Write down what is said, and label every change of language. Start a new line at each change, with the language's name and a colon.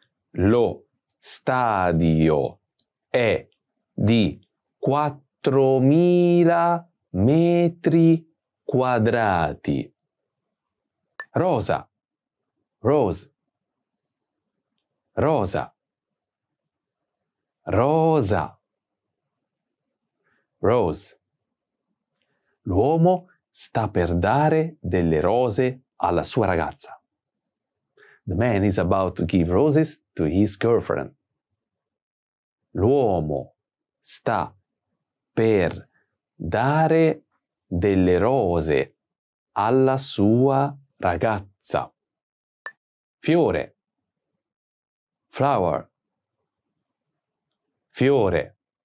Italian: Lo stadio è di 4,000 metri quadrati. Rosa. Rose. Rosa. Rosa.
English: Rose.
Italian: L'uomo sta per dare delle rose alla sua ragazza.
English: The man is about to give roses to his girlfriend.
Italian: L'uomo sta per dare delle rose alla sua ragazza. Fiore. Flower. Fiore.